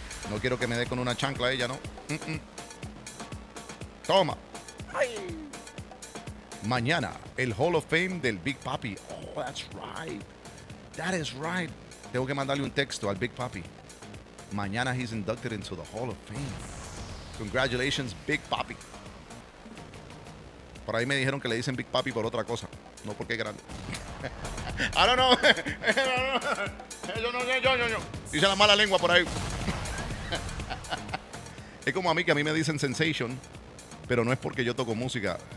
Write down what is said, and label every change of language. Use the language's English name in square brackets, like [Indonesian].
[Spanish] No quiero que me dé con una chancla ella, ¿no? Mm-mm. Toma. Ay. Mañana, el [English] Hall of Fame del Big Papi. Oh, that's right. That is right. [Spanish] Tengo que mandarle un texto al Big Papi. Mañana [English] he's inducted into the Hall of Fame. Congratulations, Big Papi. [Spanish] Por ahí me dijeron que le dicen Big Papi por otra cosa. No porque es grande. [English] I don't know. [Spanish] Yo. Dice la mala lengua por ahí. Es como a mí, que a mí me dicen Sensation, pero no es porque yo toco música.